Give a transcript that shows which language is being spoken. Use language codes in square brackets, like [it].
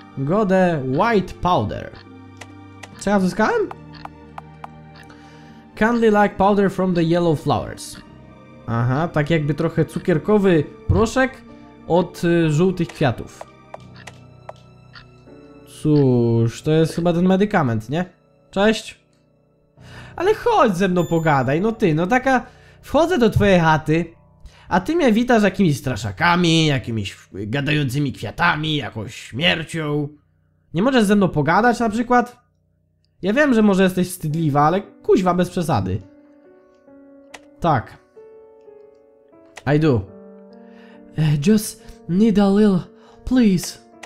[en] Got the white powder. [pl] Co ja uzyskałem? [en] K candy like powder from the yellow flowers. [pl] Aha, tak jakby trochę cukierkowy proszek od żółtych kwiatów. Cóż, to jest chyba ten medykament, nie? Cześć. Ale chodź ze mną pogadaj, no ty, no taka... Wchodzę do twojej chaty, a ty mnie witasz jakimiś straszakami, jakimiś gadającymi kwiatami, jakąś śmiercią. Nie możesz ze mną pogadać na przykład? Ja wiem, że może jesteś wstydliwa, ale kuźwa bez przesady. Tak. [en] I do. Just need a little, please.